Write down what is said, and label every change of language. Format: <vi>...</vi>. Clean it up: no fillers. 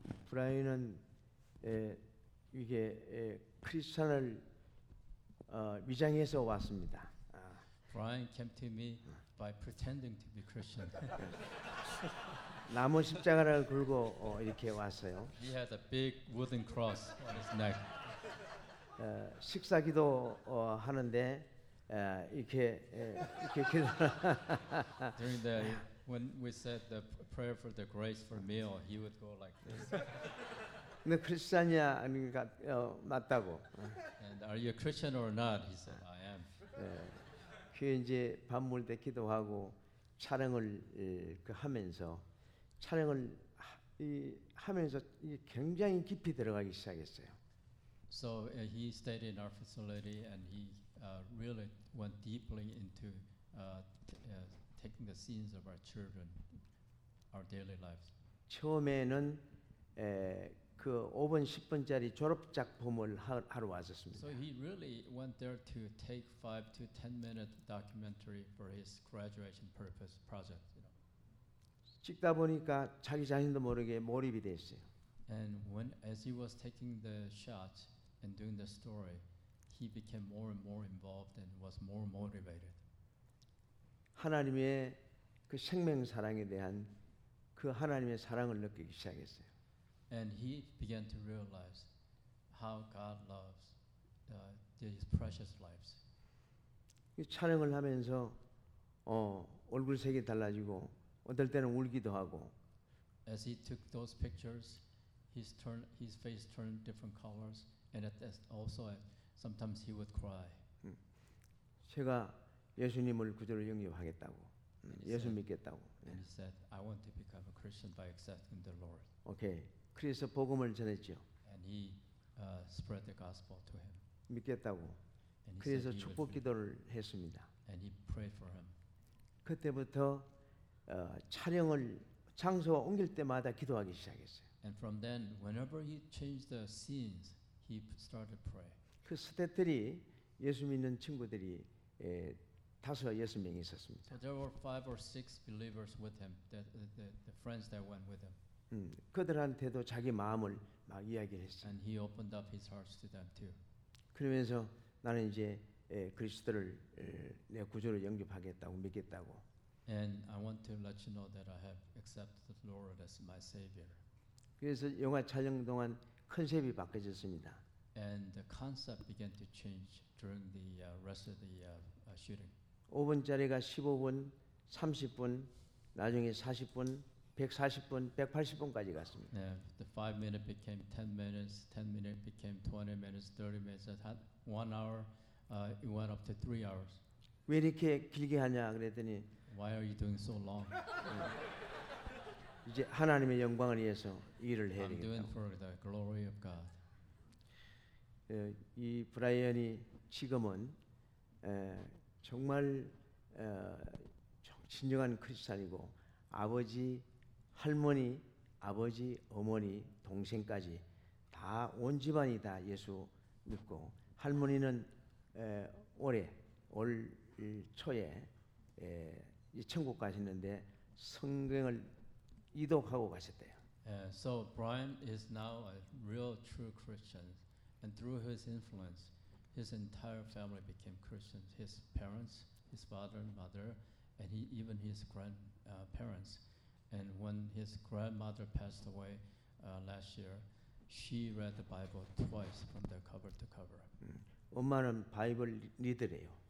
<ko>Brian은 이게 크리스천을 위장해서 왔습니다.</ko> <en>Brian came to me by pretending to be Christian.</en> <ko>나무 십자가를 걸고 이렇게 왔어요.</ko> <en>He had a big wooden cross on his neck.</en> <ko>식사 기도 하는데 이렇게 기도.</ko> <en>During the when we said the prayer for the grace for meal, he would go like this.</en> <ko>너 크리스천이야 아닌가 맞다고.</ko> <en>And are you a Christian or not? He said, I am.</en> <ko>이제 밤을 때 기도하고 촬영을 하면서 촬영을 하면서 굉장히 깊이 들어가기 시작했어요.</ko> <en>So he stayed in our facility and he really went deeply into taking the scenes of our children, our daily lives.</en> <ko>처음에는 그 5분 10분짜리 졸업 작품을 하러 왔었습니다.</ko> <en>So he really went there to take 5 to 10 minute documentary for his graduation purpose project. You know.</en> <ko>찍다 보니까 자기 자신도 모르게 몰입이 됐어요.</ko> <en>And when as he was taking the shots and doing the story, he became more and more involved and was more motivated.</en> <ko>하나님의 그 생명 사랑에 대한 그 하나님의 사랑을 느끼기 시작했어요.</ko> <en>And he began to realize how God loves these precious lives.</en> <ko>촬영을 하면서 얼굴색이 달라지고 어떨 때는 울기도 하고.</ko> <en>As he took those pictures, his face turned different colors, and also sometimes he would cry.</en> <ko>제가 예수님을 구주로 영접하겠다고, 예수 믿겠다고.</ko> <en>And he said, "I want to become a Christian by accepting the Lord."</en> <ko>Okay. 그래서 복음을 전했죠.</ko> <en>And he spread the gospel to him.</en> <ko>믿겠다고. 그래서 축복 기도를 했습니다.</ko> <en>And he prayed for him.</en> <ko>그때부터 촬영을 장소 옮길 때마다 기도하기 시작했어요.</ko> <en>And from then, whenever he changed the scenes, he started praying.</en> <ko>그 스태프들이 예수 믿는 친구들이 5, 6명 있었습니다.</ko> <en>So there were 5 or 6 believers with him, the friends that went with him.</en> <ko>그들한테도 자기 마음을 막 이야기했어요.</ko> <en>And he opened up his heart to them too.</en> <ko>그러면서 나는 이제 그리스도를 내 구주로 영접하겠다고 믿겠다고.</ko> <en>And I want to let you know that I have accepted the Lord as my Savior.</en> <ko>그래서 영화 촬영 동안 컨셉이 바뀌었습니다.</ko> <en>And the concept began to change during the rest of the shooting.</en> <ko>5분짜리가 15분, 30분, 나중에 40분, 140분, 180분까지 갔습니다.</ko> <en>Yeah, the 5 minute became 10 minutes, 10 minute became 20 minutes, 30 minutes. That one hour, it went up to 3 hours.</en> <ko>왜 이렇게 길게 하냐 그랬더니</ko> <en>Why are you doing so long?</en> <ko>이제 하나님의 영광을 위해서 일을 해야 되겠다.</ko> <en>I'm doing for the glory of God.</en> <ko>이 브라이언이 지금은 정말 진정한 크리스찬이고 아버지, 할머니, 아버지, 어머니, 동생까지 다 온 집안이 다 예수 믿고 할머니는 올해 올 초에 천국 가셨는데 성경을 이독하고 가셨대요.</ko> <en>Yeah, so Brian is now a real true Christian, and through his influence, his entire family became Christians. His parents, his father and mother, and he, even his grandparents. And when his grandmother passed away last year, she read the Bible twice from the cover to cover.</en> <ko>엄마는 바이블 리더래요.</ko>